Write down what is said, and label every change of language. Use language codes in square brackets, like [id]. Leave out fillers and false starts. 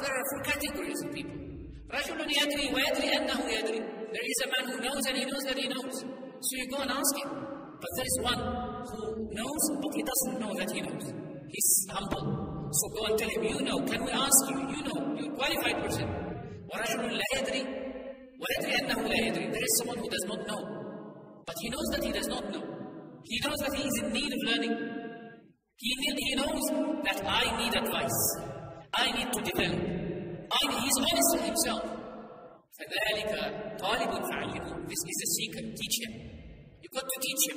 [en] There are four categories of people. [ar] رجل يدري ويدري أنه يدري. [en] There is a man who knows and he knows that he knows. So you go and ask him. But there is one who knows, but he doesn't know that he knows. He's humble. So go and tell him, you know, can we ask you? You know, you're a qualified person. [ar] ورجل لا يدري ويدري أنه لا يدري. [en] There is someone who does not know. But he knows that he does not know. He knows that he is in need of learning. He knows that I need advice. I need to develop. He's honest with himself. [ar] فَذَٰلِكَ طَالِبٌ فَعَلِّمُ. [en] This is a seeker. Teach him. You've got to teach him.